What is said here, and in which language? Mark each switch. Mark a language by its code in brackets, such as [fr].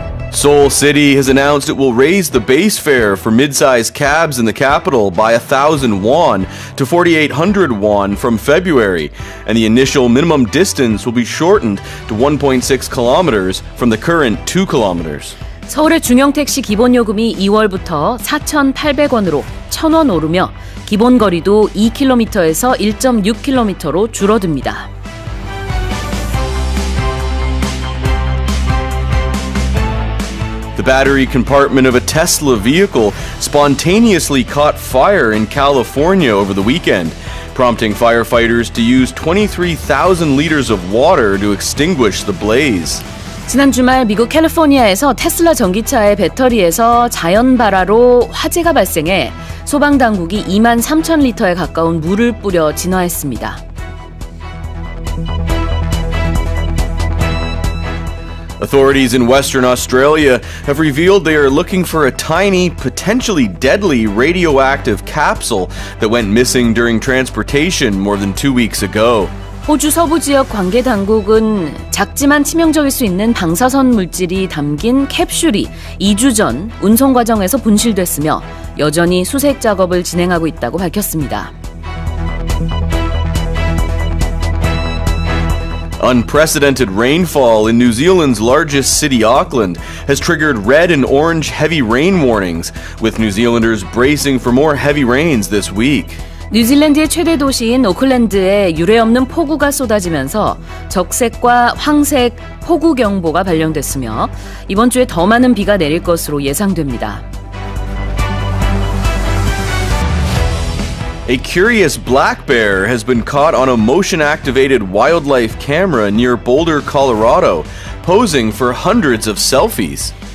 [en] Seoul City has announced it will raise the base fare for mid-sized cabs in the capital by 1,000 won to 4,800 won from February, and the initial minimum distance will be shortened to 1.6 kilometers from the current 2 kilometers. [ko] 서울의 중형택시 기본 요금이 2월부터 4,800원으로 1,000원 오르며 기본 거리도 2km에서 1.6km로 줄어듭니다. [en] The battery compartment of a Tesla vehicle spontaneously caught fire in California over the weekend, prompting firefighters to use 23,000 liters of water to extinguish the blaze. [ko] 지난 주말 미국 캘리포니아에서 테슬라 전기차의 배터리에서 자연발화로 화재가 발생해 소방당국이 2만 3천 리터에 가까운 물을 뿌려 진화했습니다. [en] Authorities in Western Australia have revealed they are looking for a tiny, potentially deadly radioactive capsule that went missing during transportation more than 2 weeks ago. [ko] 호주 서부 지역 관계 당국은 작지만 치명적일 수 있는 방사선 물질이 담긴 캡슐이 2주 전 운송 과정에서 분실됐으며 여전히 수색 작업을 진행하고 있다고 밝혔습니다. [en] Unprecedented rainfall in New Zealand's largest city, Auckland, has triggered red and orange heavy rain warnings, with New Zealanders bracing for more heavy rains this week. [ko] 뉴질랜드의 최대 도시인 오클랜드에 유례없는 폭우가 쏟아지면서 적색과 황색 폭우 경보가 발령됐으며 이번 주에 더 많은 비가 내릴 것으로 예상됩니다. [en] A curious black bear has been caught on a motion-activated wildlife camera near Boulder, Colorado, posing for hundreds of selfies.